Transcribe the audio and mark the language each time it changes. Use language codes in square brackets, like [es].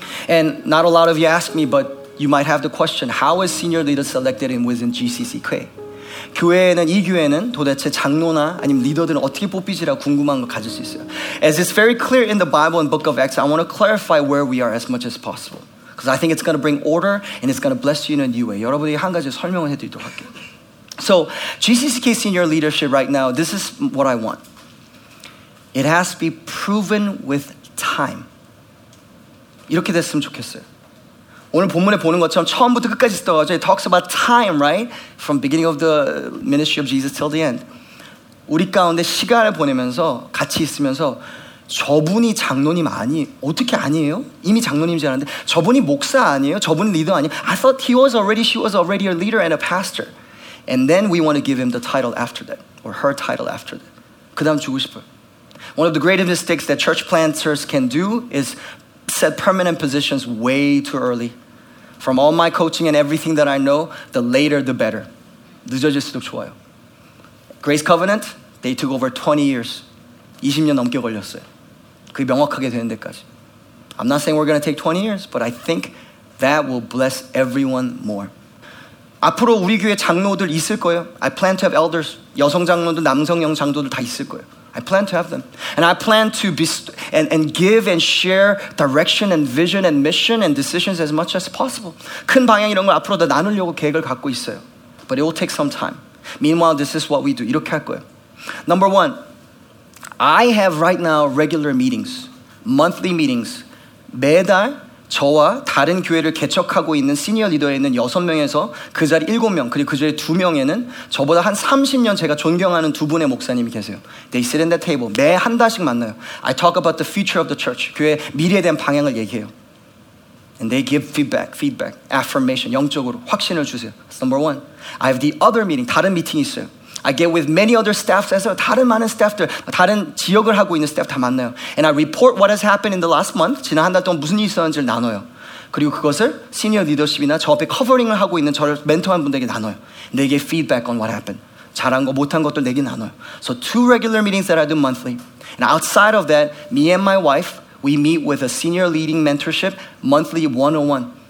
[en] And not a lot of you asked me, but you might have the question, how is senior leader selected in within GCC K? [ko] 교회에는 이 교회는 도대체 장로나 아니면 리더들은 어떻게 뽑히지라 궁금한 걸 가질 수 있어요. [en] As it's very clear in the Bible and Book of Acts, I want to clarify where we are as much as possible. Because I think it's going to bring order and it's going to bless you in a new way. [ko] 여러분이 한 가지 설명을 해드리도록 할게요. [en] So GCCK senior leadership right now, this is what I want. It has to be proven with time. [ko] 이렇게 됐으면 좋겠어요. 오늘 본문에 보는 것처럼 처음부터 끝까지 써가지고 [en] it talks about time, right? From beginning of the ministry of Jesus till the end. [ko] 우리 가운데 시간을 보내면서 같이 있으면서 저분이 장로님 아니 어떻게 아니에요? 이미 장로님이지 않은데 저분이 목사 아니에요? 저분이 리더 아니에요? [en] I thought he was already, she was already a leader and a pastor. And then we want to give him the title after that, or her title after that. [ko] 그 다음 주고 싶어요. [en] One of the greatest mistakes that church planters can do is set permanent positions way too early. From all my coaching and everything that I know, the later the better. [ko] 늦어질수록 좋아요. [en] Grace Covenant, they took over 20 years. [ko] 20년 넘게 걸렸어요. 그게 명확하게 되는 데까지. [en] I'm not saying we're going to take 20 years, but I think that will bless everyone more. [ko] 앞으로 우리 교회 장로들 있을 거예요. [en] I plan to have elders, [ko] 여성 장로들, 남성 장로들 다 있을 거예요. [en] I plan to have them. And I plan to be and give and share direction and vision and mission and decisions as much as possible. [ko] 큰 방향 이런 걸 앞으로 다 나누려고 계획을 갖고 있어요. [en] But it will take some time. Meanwhile, this is what we do. [ko] 이렇게 할 거예요. [en] Number one, I have right now regular meetings, monthly meetings, [ko] 매달 저와 다른 교회를 개척하고 있는 시니어 리더에 있는 6명에서 그 자리 7명, 그리고 그 자리 2명에는 저보다 한 30년 제가 존경하는 두 분의 목사님이 계세요. [en] They sit in the table. [ko] 매 한 달씩 만나요. [en] I talk about the future of the church. [ko] 교회 미래에 대한 방향을 얘기해요. [en] And they give feedback, affirmation, [ko] 영적으로 확신을 주세요. [en] That's number one. I have the other meeting, [ko] 다른 미팅이 있어요. [en] I get with many other staffs as well. [ko] 다른 많은 스태프들, 다른 지역을 하고 있는 스태프 다 만나요. [en] And I report what has happened in the last month. [ko] 지난 한 달 동안 무슨 일이 있었는지를 나눠요. 그리고 그것을 시니어 리더십이나 저 앞에 커버링을 하고 있는 저를 멘토한 분들에게 나눠요. 내게 [en] feedback on what happened. [ko] 잘한 거, 못한 것들 내게 나눠요. [en] So two regular meetings that I do monthly. And outside of that, me and my wife, we meet with a senior leading mentorship monthly 101.